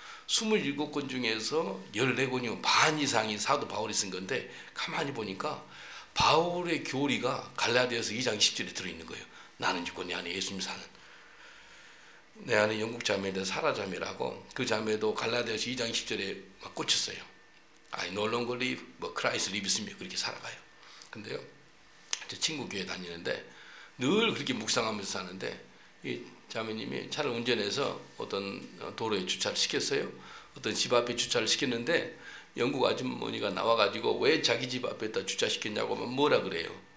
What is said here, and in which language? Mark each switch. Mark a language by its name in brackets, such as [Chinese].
[Korean] 27권 중에서 14권이면 반 이상이 사도 바울이 쓴 건데 가만히 보니까 바울의 교리가 갈라디아서 2장 10절에 들어있는 거예요. 나는 죽고 내 안에 예수님 사는 내 안에 영국 자매인데 사라 자매라고 그 자매도 갈라디아서 2장 10절에 막 꽂혔어요. [English] I no longer live, but Christ lives in me. [Korean] 그렇게 살아가요. 근데요, 제 친구 교회 다니는데 늘 그렇게 묵상하면서 사는데 이 자매님이 차를 운전해서 어떤 도로에 주차를 시켰어요. 어떤 집 앞에 주차를 시켰는데 영국 아주머니가 나와가지고 왜 자기 집 앞에다 주차시켰냐고 뭐라 그래요.